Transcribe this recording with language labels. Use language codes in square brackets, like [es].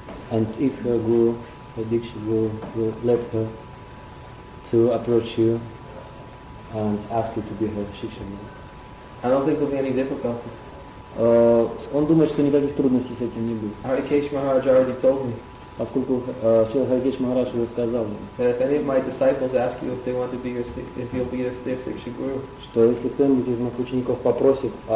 [en] And if her guru, her diksha guru, will let her to approach you and ask you to be her shiksha guru. I don't think there'll be any difficulty. [ru] Он думает, что никаких трудностей с этим не будет. [en] Hare Krishna Maharaj already told me. [ru] Поскольку Шрила Hare Krishna Maharaj уже сказал ему. [en] That if any of my disciples ask you if they want to be your, if you'll be their shiksha guru. [ru] Что если кто-нибудь из моих учеников попросит